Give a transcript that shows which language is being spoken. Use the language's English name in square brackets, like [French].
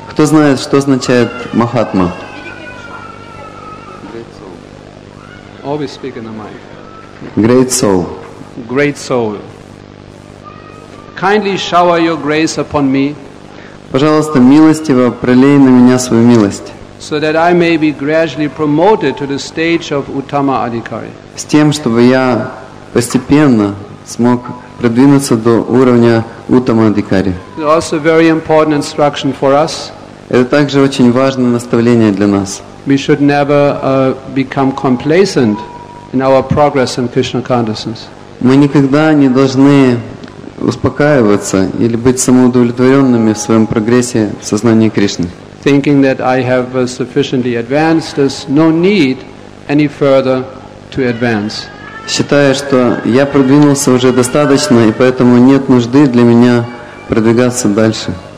[Russian] Кто знает, что означает Махатма? [English] Great soul. Always speak in the mic. Great soul. Great soul. Kindly shower your grace upon me. [Russian] Пожалуйста, милостиво пролей на меня свою милость. [English] So that I may be gradually promoted to the stage of Uttama Adhikari. [Russian] С тем, чтобы я постепенно смог продвинуться до уровня Уттама Адхикари. [English] It's also very important instruction for us. [Russian] Это также очень важное наставление для нас. [English] We should never become complacent in our progress in Krishna consciousness. [Russian] Мы никогда не должны успокаиваться или быть самоудовлетворенными в своем прогрессе в сознании Кришны. [English] Thinking that I have sufficiently advanced, there's no need any further to advance. [Russian] Считая, что я продвинулся уже достаточно, и поэтому нет нужды для меня продвигаться дальше.